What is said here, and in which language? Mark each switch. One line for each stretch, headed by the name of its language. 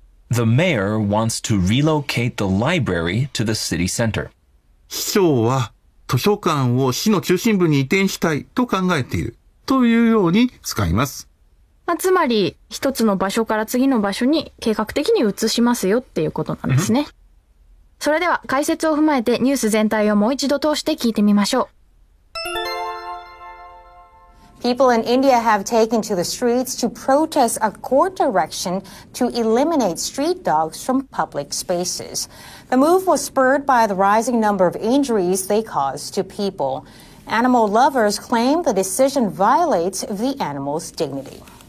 English: The mayor wants to relocate the library to the city center.
Japanese: 市長は図書館を市の中心部に移転したいと考えている。というように使います。まあ、つまり、一つの場所から次の場所に計画的に移しますよっていうことなんですね。それでは解説を踏まえてニュース全体をもう一度通して聞いてみましょう。
English: People in India have taken to the streets to protest a court direction to eliminate street dogs from public spaces. The move was spurred by the rising number of injuries they caused to people. Animal lovers claim the decision violates the animal's dignity.